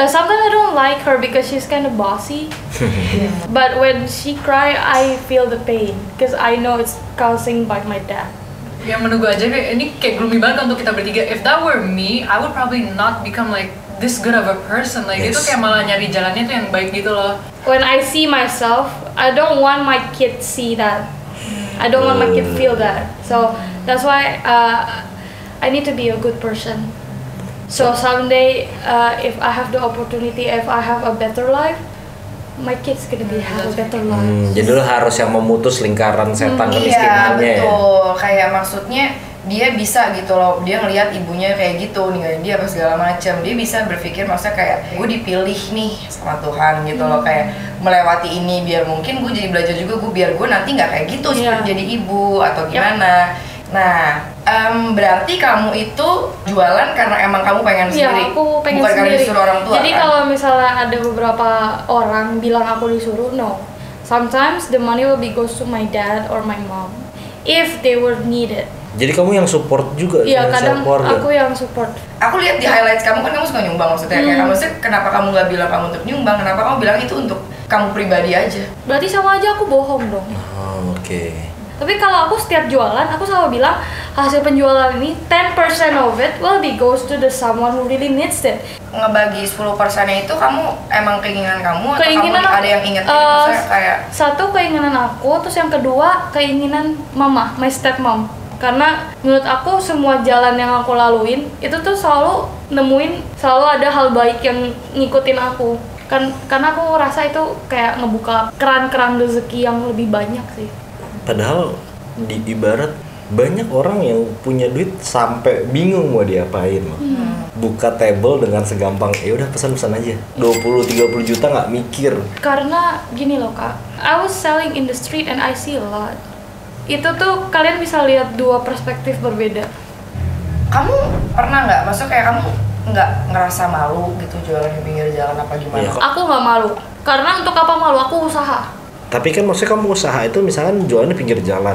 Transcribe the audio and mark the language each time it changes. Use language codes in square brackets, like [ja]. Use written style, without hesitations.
[en] Sometimes I don't like her because she's kind of bossy. Yeah. But when she cry, I feel the pain, cause I know it's causing by my dad. [id] Yang menunggu aja kayak ini kayak [en] gloomy [id] banget untuk kita bertiga. [en] If that were me, I would probably not become like this good of a person. Like yes. [id] Itu kayak malah nyari jalannya tuh yang baik gitu loh. [en] When I see myself, I don't want my kid see that. I don't want my kid feel that. So that's why I need to be a good person. So someday if I have the opportunity, if I have a better life, my kids gonna be have a better life. [id] Jadi lu harus yang memutus lingkaran setan kemiskinannya. Iya betul. Kayak maksudnya dia bisa gitu loh, dia ngelihat ibunya kayak gitu, ninggalin dia apa segala macam. Dia bisa berpikir maksudnya kayak gue dipilih nih sama Tuhan gitu loh, kayak melewati ini biar mungkin gue jadi belajar juga, gue biar gue nanti nggak kayak gitu jadi ibu atau gimana. Nah, berarti kamu itu jualan karena emang kamu pengen sendiri? Iya, aku pengen bukan sendiri. Bukan karena disuruh orang tua. Jadi kan? Kalau misalnya ada beberapa orang bilang aku disuruh, [en] no. Sometimes the money will be goes to my dad or my mom if they were needed. [id] Jadi kamu yang support juga? Iya, kadang aku yang support. Aku lihat di highlights kamu kan kamu suka nyumbang maksudnya. Kayak kamu sih kenapa kamu nggak bilang kamu untuk nyumbang? Kenapa kamu bilang itu untuk kamu pribadi aja? Berarti sama aja aku bohong dong. Oh, oke. Okay. Tapi kalau aku setiap jualan, aku selalu bilang hasil penjualan ini [en] 10% of it will be goes to the someone who really needs it. [id] Ngebagi 10%-nya itu kamu emang keinginan kamu atau keinginan kamu aku, ada yang ingetin kayak satu keinginan aku, terus yang kedua keinginan mama, [en] my stepmom. [id] Karena menurut aku semua jalan yang aku laluin itu tuh selalu nemuin selalu ada hal baik yang ngikutin aku. Kan karena aku rasa itu kayak ngebuka keran-keran rezeki yang lebih banyak sih. Padahal di ibarat banyak orang yang punya duit sampai bingung mau diapain mah. Buka table dengan segampang ya udah pesan-pesan aja 20-30 juta nggak mikir. Karena gini loh kak, [en] I was selling in the street and I see a lot. [id] Itu tuh kalian bisa lihat dua perspektif berbeda. Kamu pernah nggak maksud kayak kamu nggak ngerasa malu gitu jualan di pinggir jalan apa gimana? Ya, aku nggak malu karena untuk apa malu, aku usaha. Tapi kan maksudnya kamu usaha itu misalkan jualan di pinggir jalan.